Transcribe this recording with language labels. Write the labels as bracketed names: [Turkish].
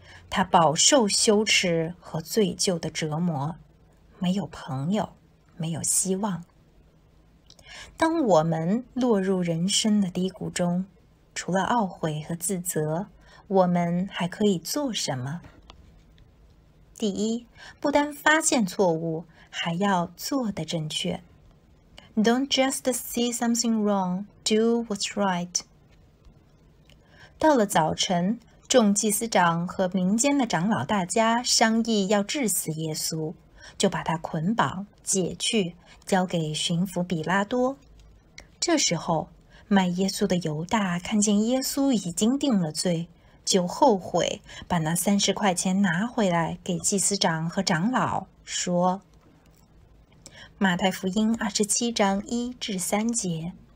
[Chinese] 他饱受羞耻和罪疚的折磨，没有朋友，没有希望。当我们落入人生的低谷中，除了懊悔和自责，我们还可以做什么？第一，不单发现错误，还要做得正确。 [English] Don't just see something wrong, do what's right. [Chinese] 到了早晨，众祭司长和民间的长老大家商议要治死耶稣，就把他捆绑解去，交给巡抚比拉多。这时候，卖耶稣的犹大看见耶稣已经定了罪，就后悔，把那30块钱拿回来给祭司长和长老，说：马太福音27:1-3。